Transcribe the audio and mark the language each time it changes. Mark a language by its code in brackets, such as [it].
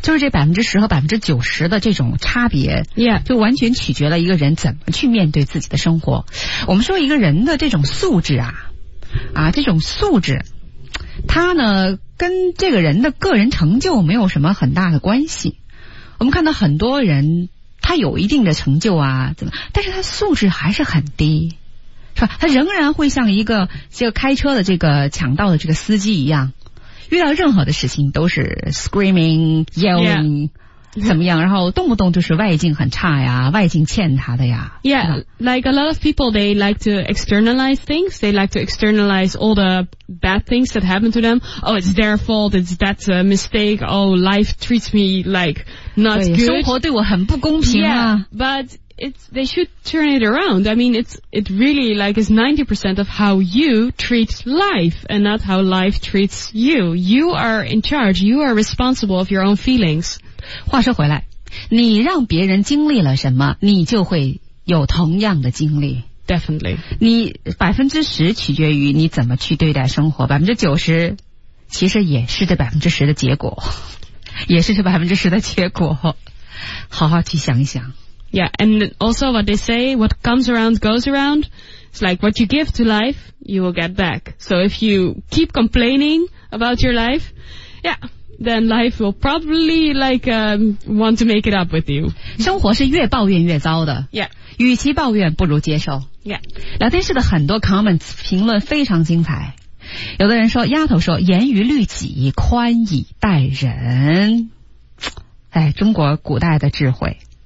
[zh] 就是这10%和90%的这种差别。 [en] Yeah. [zh] 就完全取决了一个人怎么去面对自己的生活。我们说一个人的这种素质啊这种素质它呢跟这个人的个人成就没有什么很大的关系。我们看到很多人他有一定的成就啊怎么但是他素质还是很低。他仍然会像一个这个开车的这个抢道的这个司机一样，遇到任何的事情都是 [en] screaming yelling、 yeah. [zh] 怎么样，然后动不动就是外境很差呀，外境欠他的呀。 [en] Yeah, like a lot of people, they like to externalize things. They like to externalize all the bad things that happen to them. Oh, it's their fault. That's a mistake. Oh, life treats me like not good. [zh] 生活对我很不公平啊。 [en] Yeah, but. They should turn it around. I mean, it really like is 90% of how you treat life and not how life treats you. You are in charge. You are responsible of your own feelings. [zh] 话说回来，你让别人经历了什么，你就会有同样的经历。 [en] Definitely. [zh] 你10%取决于你怎么去对待生活，90%其实也是这10%的结果，也是这10%的结果。好好去想一想。 [en] Yeah, and also what they say, what comes around goes around. It's like what you give to life, you will get back. So if you keep complaining about your life, yeah, then life will probably like, want to make it up with you. [zh] 生活是越抱怨越糟的。 [en] Yeah. [zh] 与其抱怨不如接受。 [en] Yeah. [zh] 聊天室的很多 comments 评论非常精彩。有的人说丫头说严于律己宽以待人。哎中国古代的智慧。